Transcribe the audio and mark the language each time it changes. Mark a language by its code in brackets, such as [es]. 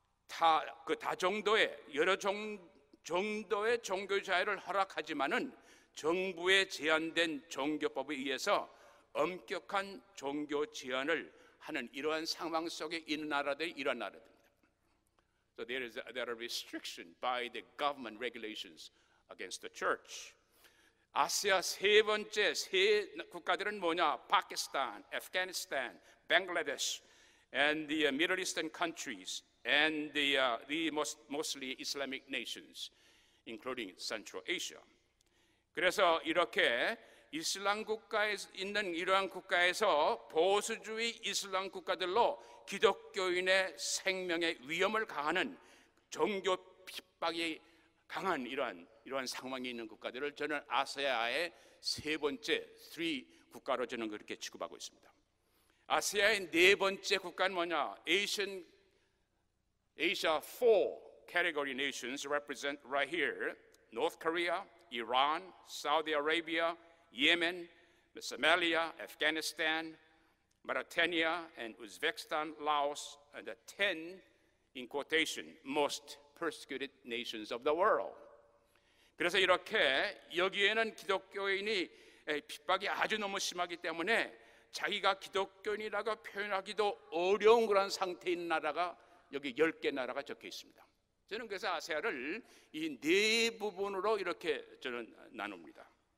[ko] 다 정도의 여러 정도의 종교 자유를 허락하지만은 정부의 제한된 종교법에 의해서 엄격한 종교 제한을 하는 이러한 상황 속에 있는 나라들이 이런 나라들입니다. [en] So there are restrictions by the government regulations against the church. [ko] 아시아 세 번째 세 국가들은 뭐냐? [en] 파키스탄, 아프가니스탄, 방글라데시 and the Middle Eastern countries and the mostly Islamic nations including Central Asia. [ko] 그래서 이렇게 이슬람 국가에 있는 이러한 국가에서 보수주의 이슬람 국가들로 기독교인의 생명의 위험을 가하는 종교 핍박이 강한 이러한 상황이 있는 국가들을 저는 아시아의 세 번째 three 국가로 저는 그렇게 취급하고 있습니다. 아시아의 네 번째 국가는 뭐냐? [en] Asia four category nations represent right here: North Korea, Iran, Saudi Arabia, Yemen, Somalia, Afghanistan, Mauritania, and Uzbekistan, Laos, and the 10, in quotation, most persecuted nations of the world. [ko] 그래서 이렇게 여기에는 기독교인이 핍박이 아주 너무 심하기 때문에 자기가 기독교인이라고 표현하기도 어려운 그런 상태인 나라가 여기 10개 나라가 적혀 있습니다. 저는 그래서 아세아를 이 네 부분으로 이렇게 저는 나눕니다.